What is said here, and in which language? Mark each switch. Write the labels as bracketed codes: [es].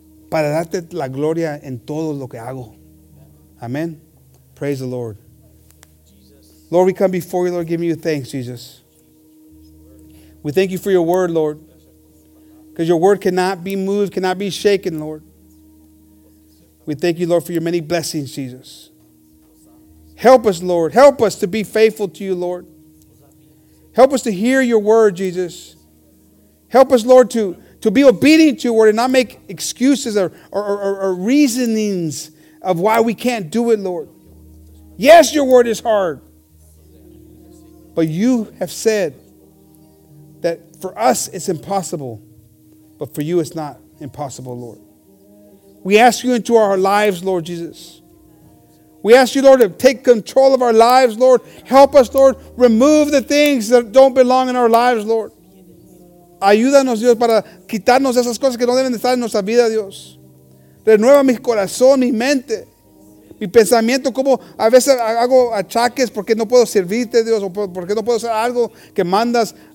[es] Para darte la gloria en todo lo que hago. [en] Amen. Praise the Lord. Lord, we come before you, Lord, giving you thanks, Jesus. We thank you for your word, Lord. Because your word cannot be moved, cannot be shaken, Lord. We thank you, Lord, for your many blessings, Jesus. Help us, Lord. Help us to be faithful to you, Lord. Help us to hear your word, Jesus. Help us, Lord, to, To be obedient to your word and not make excuses or reasonings of why we can't do it, Lord. Yes, your word is hard. But you have said that for us it's impossible, but for you it's not impossible, Lord. We ask you into our lives, Lord Jesus. We ask you, Lord, to take control of our lives, Lord. Help us, Lord, remove the things that don't belong in our lives, Lord. [es] Ayúdanos, Dios, para quitarnos esas cosas que no deben estar en nuestra vida, Dios. Renueva mi corazón, mi mente, mi pensamiento, como a veces hago achaques porque no puedo servirte, Dios, o porque no puedo hacer algo que mandas.